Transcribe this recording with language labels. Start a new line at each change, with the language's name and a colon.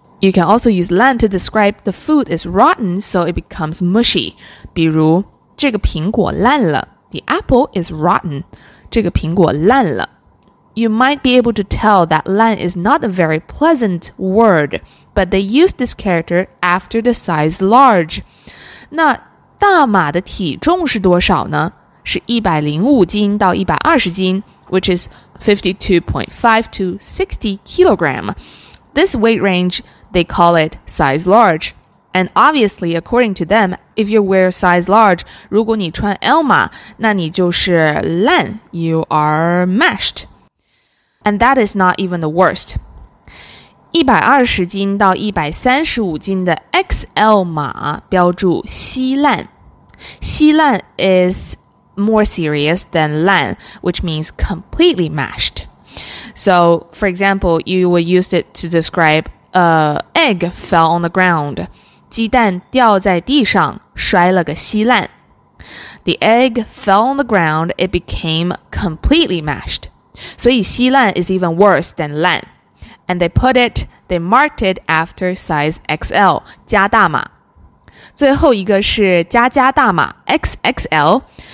English: You can also use 烂 to describe the food is rotten, so it becomes mushy.
Chinese: 比如这个苹果烂了。
English: The apple is rotten.
Chinese: 这个苹果烂了。
English: You might be able to tell that 烂 is not a very pleasant word, but they use this character after the size large.
Chinese: 那大马的体重是多少呢？是105斤到120斤,
English: which is 52.5 to 60 kilogram. This weight range, they call it size large. And obviously, according to them, if you wear size large,
Chinese: 如果你穿 L 码，那你就是烂,
English: you are mashed. And that is not even the worst.
Chinese: 120斤到135斤的 XL 码标注稀烂。
English: 稀烂 is more serious than 烂, which means completely mashed. So, for example, you would use it to describe an egg fell on the ground.
Chinese: 鸡蛋掉在地上摔了个稀烂。
English: The egg fell on the ground, it became completely mashed. 所以稀烂 is even worse than 烂 And they marked it after size XL,
Chinese: 加大码最后一个是加加大码
English: XXL